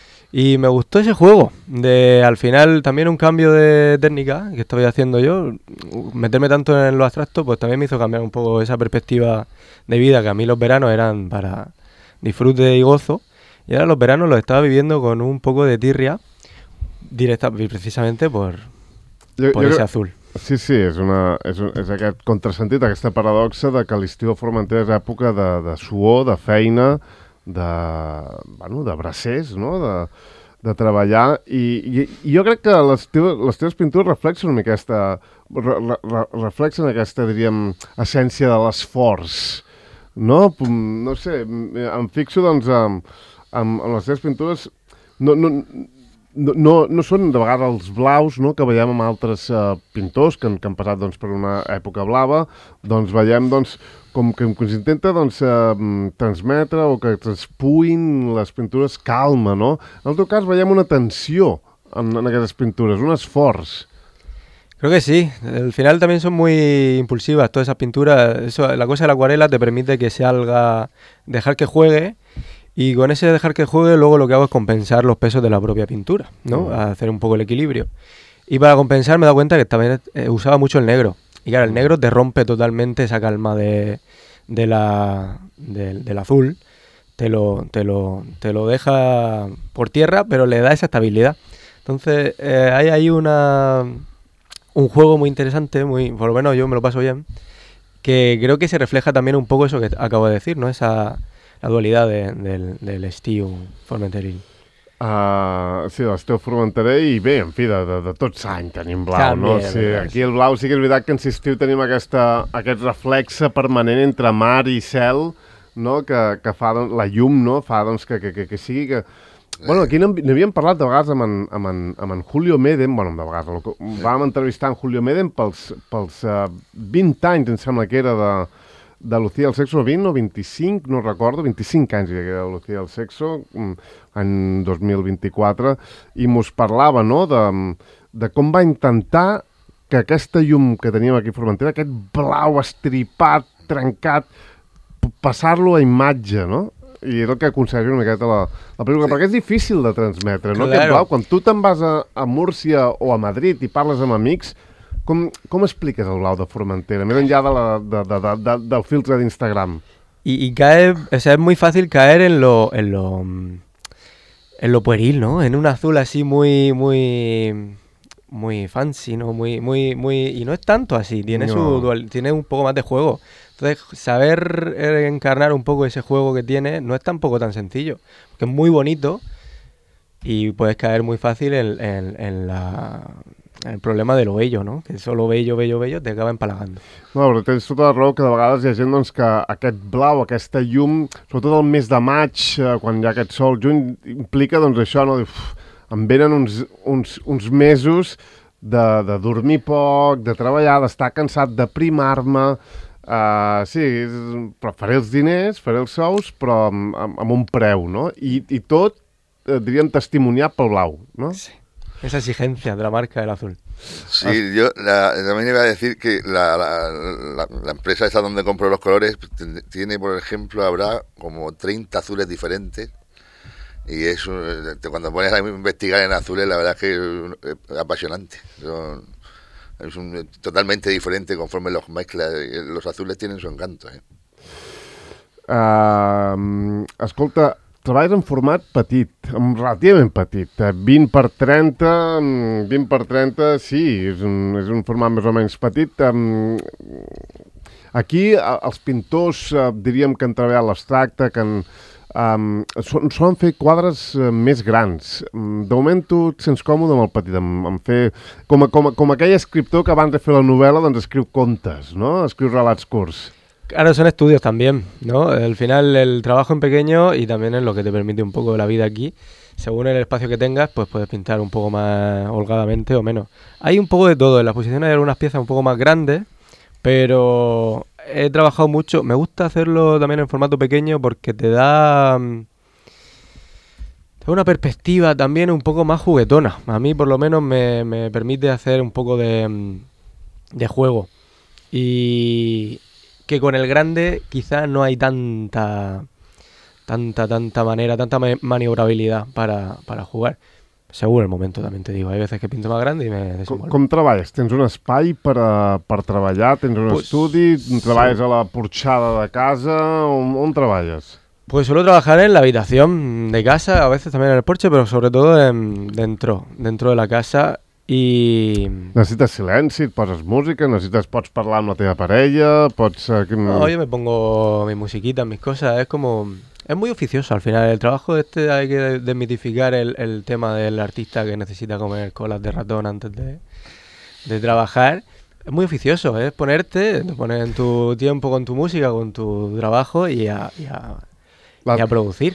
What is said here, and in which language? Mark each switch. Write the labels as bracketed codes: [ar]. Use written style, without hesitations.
[es] Y me gustó ese juego, de al final también un cambio de técnica que estaba haciendo yo, meterme tanto en lo abstracto, pues también me hizo cambiar un poco esa perspectiva de vida, que a mí los veranos eran para disfrute y gozo, y ahora los veranos los estaba viviendo con un poco de tirria, precisamente por ese azul. [ca] Sí, sí, és aquest contrasentit, aquesta paradoxa de que l'estiu de Formentera és època de suor, de feina... de bracers, no? de treballar, i jo crec que les teves pintures reflexen una mica aquesta, diríem, essència de l'esforç, no? No sé, em fixo, doncs, en les teves pintures, no són de vegades els blaus, no?, que veiem amb altres pintors que han passat, doncs, per una època blava, doncs veiem, doncs, com que ens intenta, doncs, transmetre o que transpuïn les pintures calma, no? En el teu cas veiem una tensió en aquestes pintures, un esforç. [es] Creo que sí. Al final también son muy impulsivas todas esas pinturas. Eso, la cosa de la acuarela te permite que salga, dejar que juegue, y con ese dejar que juegue luego lo que hago es compensar los pesos de la propia pintura, ¿no? Uh-huh. Hacer un poco el equilibrio. Y para compensar me he dado cuenta que también usaba mucho el negro. Y claro, el negro te rompe totalmente esa calma del azul, te lo deja por tierra, pero le da esa estabilidad. Entonces, hay ahí un juego muy interesante, muy, por lo menos yo me lo paso bien, que creo que se refleja también un poco eso que acabo de decir, ¿no? Esa la dualidad del estío formenteril. [ca] Sí, l'esteu Formentera, i bé, en fi, de tot l'any tenim blau, també, no? Sí, aquí el blau sí que és veritat que en l'estiu tenim aquest reflexe permanent entre mar i cel, no?, que fa, doncs, la llum, no?, fa, doncs, que sigui que... Bueno, aquí n'havíem parlat de vegades amb en Julio Medem, bueno, de vegades, vam entrevistar en Julio Medem pels 20 anys, em sembla que era de Lucía del Sexo, 20 o 25, no recordo, 25 anys hi hagués de Lucía del Sexo, any 2024, i mos parlava, no?, de com va intentar que aquesta llum que teníem aquí a Formentera, aquest blau estripat, trencat, passar-lo a imatge, no?, i és el que aconsegueix una miqueta la pel·lícula, sí. Perquè és difícil de transmetre, no?, [es] claro. [ca] Aquest blau, quan tu te'n vas a Múrcia o a Madrid i parles amb amics, com expliques el blau de Formentera, més enllà del filtre d'Instagram? [es] I cae, o sea, es muy fácil caer en lo pueril, ¿no? En un azul así muy muy muy fancy, ¿no? Muy muy muy, y no es tanto así, tiene un poco más de juego. Entonces, saber encarnar un poco ese juego que tiene no es tampoco tan sencillo, porque es muy bonito y puedes caer muy fácil en el problema de lo bello, ¿no? Que solo bello, bello, bello te acaba empalagando. [ca] No, però tens tota la raó, que de vegades hi ha gent, doncs, que aquest blau, aquesta llum, sobretot el mes de maig, quan hi ha aquest sol juny, implica, doncs, això, no? em venen uns mesos de dormir poc, de treballar, d'estar cansat, de primar-me. Sí, però faré els diners, faré els sous, però amb un preu, no? I tot, diríem, testimoniat pel blau, no? Sí. [es] Esa exigencia de la marca del azul. Sí, yo también iba a decir que la empresa esa donde compro los colores tiene, por ejemplo, habrá como 30 azules diferentes. Y es cuando pones a investigar en azules, la verdad es que es apasionante. Es totalmente diferente conforme los mezclas. Los azules tienen su encanto. [ca] Escolta, treballes en format petit, relativament petit, 20x30, 20x30, sí, és un format més o menys petit. Aquí els pintors, diríem que han treballat l'abstracte, que solen fer quadres més grans. De moment tu et sents còmode amb el petit, amb fer, com aquell escriptor que abans de fer la novel·la doncs escriu contes, no? Escriu relats curts. [es] Claro, son estudios también, ¿no? Al final el trabajo en pequeño y también es lo que te permite un poco la vida aquí. Según el espacio que tengas, pues puedes pintar un poco más holgadamente o menos. Hay un poco de todo. En la exposición hay algunas piezas un poco más grandes, pero he trabajado mucho. Me gusta hacerlo también en formato pequeño porque te da una perspectiva también un poco más juguetona. A mí por lo menos me permite hacer un poco de juego. Y que con el grande quizá no hay tanta manera, tanta maniobrabilidad para jugar. Según el momento, también te digo. Hay veces que pinto más grande y me desenvuelvo. [ca] Com treballes? Tens un espai per treballar? Tens un estudi? Treballes a la porxada de casa? On treballes? [es] Pues suelo trabajar en la habitación de casa, a veces también en el porche, pero sobre todo dentro de la casa. [ca] I necessites silenci, et poses música, necessites, pots parlar amb la teva parella, pots... [es] No, yo me pongo mi musiquita, mis cosas, es como... Es muy oficioso al final, el trabajo este hay que desmitificar el tema del artista que necesita comer colas de ratón antes de trabajar. Es muy oficioso, es ponerte, poner en tu tiempo con tu música, con tu trabajo y a producir.